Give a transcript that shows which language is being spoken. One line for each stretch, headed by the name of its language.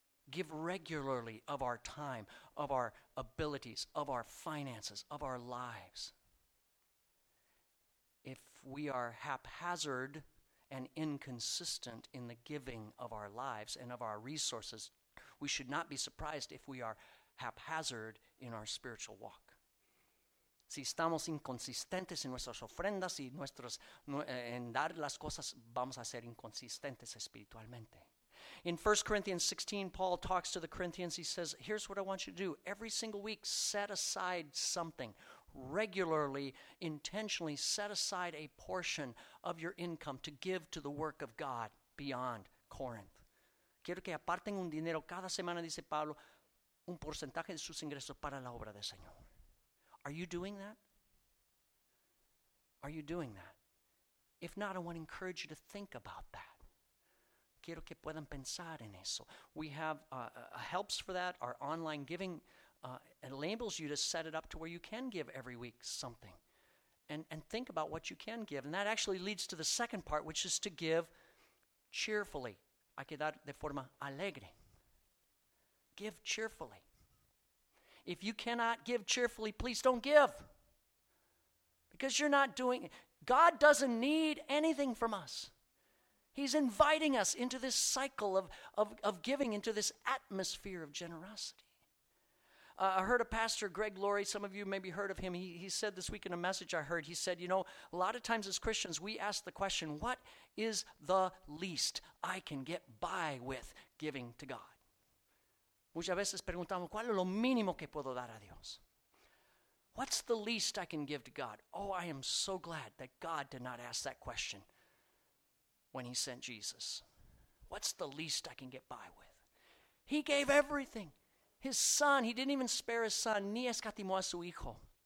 English: Give regularly of our time, of our abilities, of our finances, of our lives. If we are haphazard and inconsistent in the giving of our lives and of our resources, we should not be surprised if we are haphazard in our spiritual walk.
Spanish: Si estamos inconsistentes en nuestras ofrendas y en dar las cosas, vamos a ser inconsistentes espiritualmente.
English: In 1 Corinthians 16, Paul talks to the Corinthians. He says, here's what I want you to do. Every single week, set aside something. Regularly, intentionally, set aside a portion of your income to give to the work of God beyond Corinth.
Spanish: Quiero que aparten un dinero cada semana, dice Pablo, un porcentaje de sus ingresos para la obra del Señor.
English: Are you doing that? Are you doing that? If not, I want to encourage you to think about that.
Spanish: Quiero que puedan pensar en eso.
English: We have helps for that. Our online giving enables you to set it up to where you can give every week something. And think about what you can give. And that actually leads to the second part, which is to give cheerfully.
Spanish: Hay que dar de forma alegre.
English: Give cheerfully. If you cannot give cheerfully, please don't give. Because you're not doing it. God doesn't need anything from us. He's inviting us into this cycle of giving, into this atmosphere of generosity. I heard a pastor, Greg Laurie, some of you maybe heard of him. He said this week in a message I heard, he said, you know, a lot of times as Christians, we ask the question, what is the least I can get by with giving to God?
Spanish: Muchas veces preguntamos, ¿cuál es lo mínimo que puedo dar a Dios?
English: What's the least I can give to God? Oh, I am so glad that God did not ask that question when he sent Jesus. What's the least I can get by with? He gave everything. His son, he didn't even spare his son,
Spanish: ni escatimó a su hijo.